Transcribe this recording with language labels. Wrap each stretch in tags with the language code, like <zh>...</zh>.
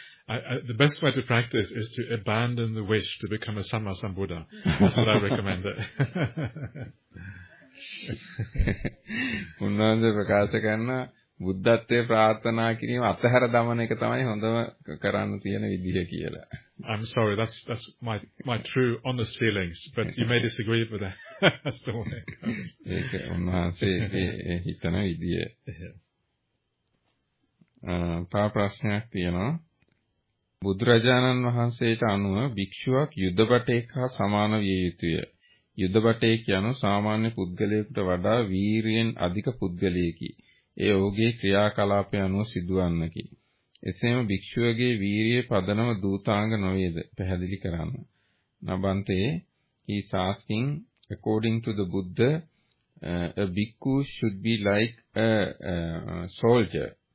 <en>the best way to practice is to abandon the wish to become a Samma Sambuddha. That's what I recommend.</en> <si>Unnanda prakasha karana බුද්ධත්වයේ ප්‍රාර්ථනා කිරීම අතහැර දමන එක තමයි හොඳම කරන්න තියෙන විදිය කියලා.</si> <en>I'm sorry, that's my true honest feelings, but you may disagree with that. That's the way it goes.</en> <si>ඒක උන්වහන්සේ හිතන විදිය. තව ප්‍රශ්නයක් තියෙනවා. බුදුරජාණන් වහන්සේට අනුව භික්ෂුවක් යුදපටේක හා සමාන විය යුතුය. යුදපටේක යනු සාමාන්‍ය පුද්ගලයෙකුට වඩා වීරියෙන් අධික පුද්ගලයෙකි. ඒ ඔහුගේ ක්‍රියාකලාපය අනුව සිදුවන්නකි. එසේම භික්ෂුවගේ වීරියේ පදනම දූතාංග නොවේද? පැහැදිලි කරන්න.</si> <en>Nabante, he is asking, according to the Buddha, a bhikkhu should be like a soldier.</en>